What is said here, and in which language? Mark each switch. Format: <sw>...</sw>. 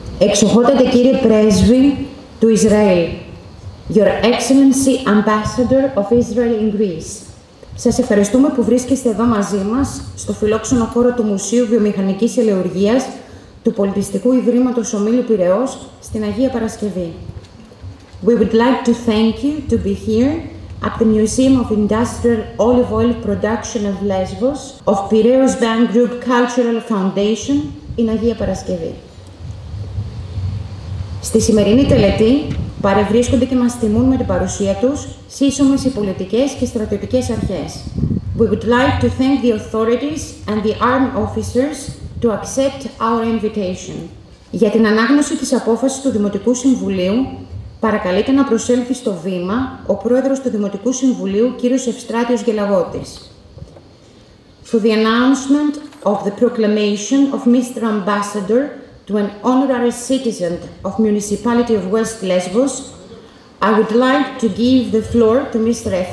<el>Εξοχότατε κύριε Πρέσβη του Ισραήλ,</el> <en>Your Excellency Ambassador of Israel in Greece,</en> <el>σας ευχαριστούμε που βρίσκεστε εδώ μαζί μας, στο φιλόξενο χώρο του Μουσείου Βιομηχανικής Ελαιουργίας του Πολιτιστικού Ιδρύματος Ομίλου Πειραιός, στην Αγία Παρασκευή.</el> <en>We would like to thank you to be here at the Museum of Industrial Olive Oil Production of Lesbos of Piraeus Bank Group Cultural Foundation in Αγία Παρασκευή.</en> <el>Στη σημερινή τελετή παρευρίσκονται και μας τιμούν με την παρουσία τους σύσσωμες οι πολιτικές και στρατιωτικές αρχές.</el> <en>We would like to thank the authorities and the armed officers to accept our invitation.</en> <el>Για την ανάγνωση της απόφασης του Δημοτικού Συμβουλίου παρακαλείται να προσέλθει στο βήμα ο πρόεδρος του Δημοτικού Συμβουλίου, κύριος Ευστράτιος Γελαγότης.</el> <en>For the announcement of the proclamation of Mr. Ambassador to an honorary citizen of municipality of West Lesbos, I would like to give the floor to Mr.</en>